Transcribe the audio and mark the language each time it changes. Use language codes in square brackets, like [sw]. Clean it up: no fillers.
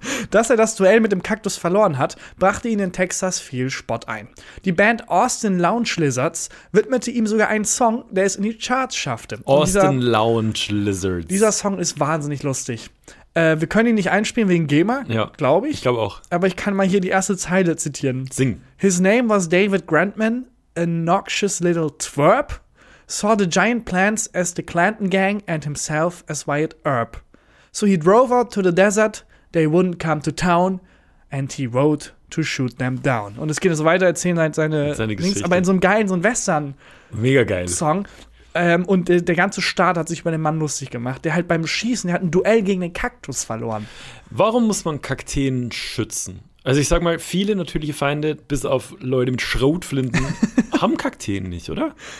[de] Dass er das Duell mit dem Kaktus verloren hat, brachte ihn in Texas viel Spott ein. Die Band Austin Lounge Lizards widmete ihm sogar einen Song, der es in die Charts schaffte. Dieser Song ist wahnsinnig lustig. Wir können ihn nicht einspielen wegen GEMA, ja, glaube ich. Ich glaube auch. Aber ich kann mal hier die erste Zeile zitieren. Sing. [en] His name was David Grantman, a noxious little twerp, saw the giant plants as the Clanton Gang and himself as Wyatt Earp. So he drove out to the desert, they wouldn't come to town, and he wrote to shoot them down. [de] Und es geht so weiter, erzählen seine Geschichte. Links, aber in so einem geilen, so einem Western mega geil Song. Und der ganze Staat hat sich über den Mann lustig gemacht, der halt beim Schießen, der hat ein Duell gegen den Kaktus verloren. Warum muss man Kakteen schützen? Also ich sag mal, viele natürliche Feinde, bis auf Leute mit Schrotflinten, haben Kakteen nicht, oder?